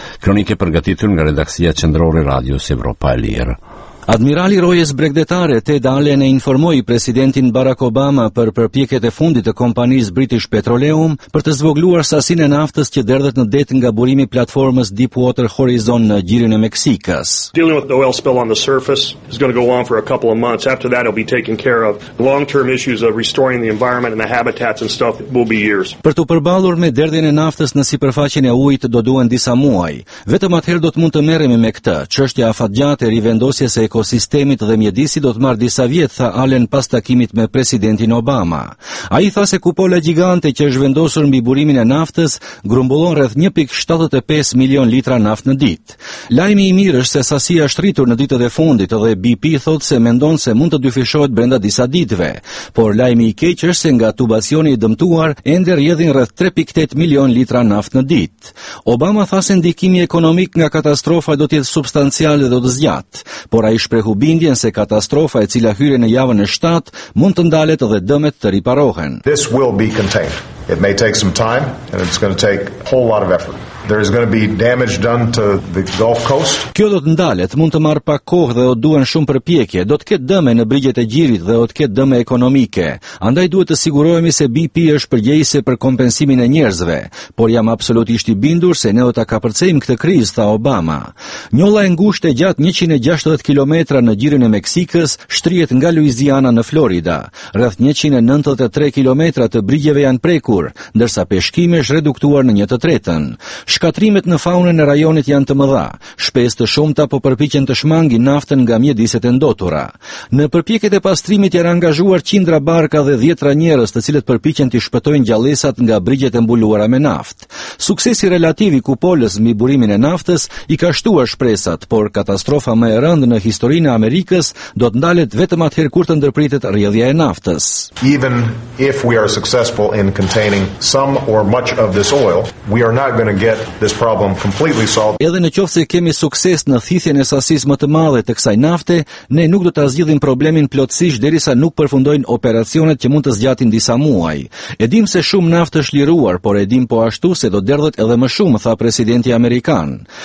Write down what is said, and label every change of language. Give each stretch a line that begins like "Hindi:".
Albanian: Kronike përgatitur nga redaksia qendrore Radios Evropa e Lirë. Admirali Rojes Bregdetare Ted Allen e informoi presidentin Barack Obama për përpjekjet e fundit të kompanisë British Petroleum për të zvogluar sasinë e naftës që derdhet në det nga burimi platformës Deepwater Horizon në gjirin e Meksikës.
English: Dealing with the oil spill on the surface is going to go on for a couple of months. After that it'll be taken care of. Long-term issues of restoring the environment and the habitats and stuff will be years.
Albanian: Për të përballur me derdhjen e naftës në sipërfaqen e ujit do duhen disa muaj. Vetëm atëherë do të mund të merremi me këtë. Çështja afatgjate e rivendosjes ekosistemit dhe mjedisi do të marrë disa vjet, tha Allen pas takimit me presidentin Obama. Ai tha se kupola gjigante që është vendosur mbi burimin e naftës grumbullon rreth 1.75 milion litra naftë në ditë. Lajmi i mirë është se sasia është rritur në ditët e fundit dhe BP thot se mendon se mund të dyfishohet brenda disa ditëve, por lajmi i keq është se nga tubacioni i dëmtuar ende rrjedhin rreth 3.8 milion litra naftë në ditë. Obama tha se ndikimi ekonomik nga katastrofa do të jetë substancial dhe do të zgjatë. Por ai shprehu bindjen se katastrofa e cila hyre në javën e 7 mund të ndalet dhe dëmet të riparohen.
English: This will be contained. It may take some time and it's going to take a whole lot of effort. There is going to be damage done to the Gulf coast.
Albanian: Kjo do të ndalet, mund të marr pak kohë dhe do duhen shumë përpjekje. Do të ketë dëme në brigjet e gjirit dhe do të ketë dëme ekonomike. Andaj duhet të sigurohemi se BP është përgjegjëse për kompensimin e njerëzve, por jam absolutisht i bindur se ne do ta kapërcejmë këtë krizë, tha Obama. Njolla e ngushtë gjatë 160 kilometra në gjirin e Meksikës shtrihet nga Louisiana në Florida. Rreth 193 kilometra të brigjeve janë prekur, ndërsa peshkimi është reduktuar në 1/3. Shkatrimet në faunën e rajonit janë të mëdha. Shpesë të shumta po përpiqen të shmangin naftën nga mjediset e ndotura. Në përpjekjet e pastrimit janë angazhuar qindra barka dhe dhjetra njerëz, të cilët përpiqen të shpëtojnë gjallësat nga brigjet e mbuluara me naftë. Suksesi relativ i kupolës mbi burimin e naftës i ka shtuar shpresat, por katastrofa më e rëndë në historinë e Amerikës do të ndalet vetëm atëherë kur të ndërpritet rrjedhja e naftës.
English: Even if we are successful in containing some or much of this oil, we are not going to get this problem completely solved.
Albanian: Edhe në qoftë se kemi sukses në thithjen e sasisë më të madhe të kësaj nafte, ne nuk do ta zgjidhim problemin plotësisht derisa nuk përfundojnë operacionet që mund të zgjatin disa muaj. Edim se shumë naftë është liruar, por edim po ashtu se do derdhet edhe më shumë, tha presidenti amerikan.